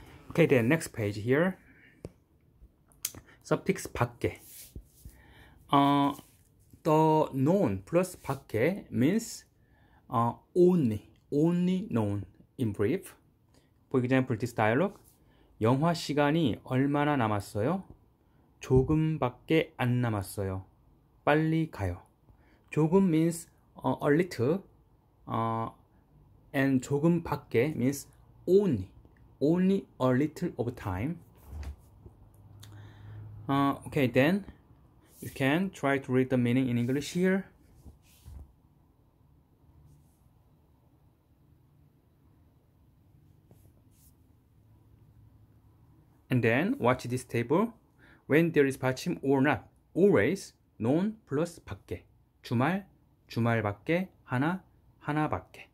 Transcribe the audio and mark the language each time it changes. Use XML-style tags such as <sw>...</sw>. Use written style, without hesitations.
<en>Okay, then next page here. Suffix 밖에. The known plus 밖에 means only known in brief. For example, this dialogue.</en> <ko>영화 시간이 얼마나 남았어요? 조금밖에 안 남았어요. 빨리 가요.</ko> <en>조금 means a little. And 조금밖에 means only a little of time. Okay, then you can try to read the meaning in English here. And then watch this table. When there is 받침 or not, always known plus 밖에.</en> <ko>주말, 주말밖에, 하나, 하나밖에.</ko>